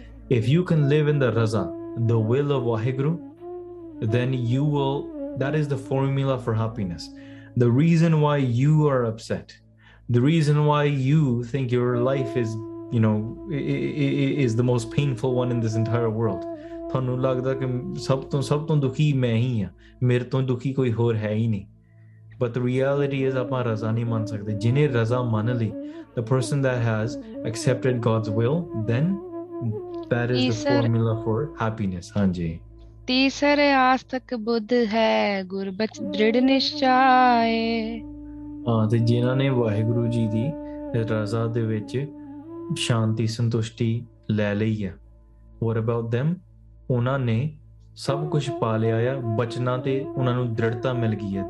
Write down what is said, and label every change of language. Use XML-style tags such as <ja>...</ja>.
<en>If you can live in the raza, the will of vahe guru, then you will, that is the formula for happiness. The reason why you are upset, the reason why you think your life is, you know, is the most painful one in this entire world.</en> <pa>ਤੁਹਾਨੂੰ ਲੱਗਦਾ ਕਿ ਸਭ ਤੋਂ ਦੁਖੀ ਮੈਂ ਹੀ ਹਾਂ, ਮੇਰੇ ਤੋਂ ਦੁਖੀ ਕੋਈ ਹੋਰ ਹੈ ਹੀ ਨਹੀਂ.</pa> <en>But the reality is,</en> <pa>ਆਪਾਂ ਰਜ਼ਾ ਨਹੀਂ ਮੰਨ ਸਕਦੇ. ਜਿਹਨੇ ਰਜ਼ਾ ਮੰਨ ਲਈ,</pa> <en>the person that has accepted God's will, then that is the formula for happiness.</en> <pa>ਹਾਂਜੀ. ਤੀਸਰੇ ਆਸਤਕ ਬੁੱਧ ਹੈ ਗੁਰਬਚ ਦ੍ਰਿੜ ਨਿਸ਼ਚਾਏ. ਹਾਂ, ਤੇ ਜਿਹਨਾਂ ਨੇ ਵਾਹਿਗੁਰੂ ਜੀ ਦੀ ਰਜ਼ਾ ਦੇ ਵਿੱਚ ਸ਼ਾਂਤੀ ਸੰਤੁਸ਼ਟੀ ਲੈ ਲਈ ਆ,</pa> <en>What about them?</en> <pa>ਉਹਨਾਂ ਨੇ ਸਭ ਕੁਛ ਪਾ ਲਿਆ ਆ, ਬਚਨਾਂ ਤੇ ਉਹਨਾਂ ਨੂੰ ਦ੍ਰਿੜਤਾ ਮਿਲ ਗਈ ਹੈ.</pa>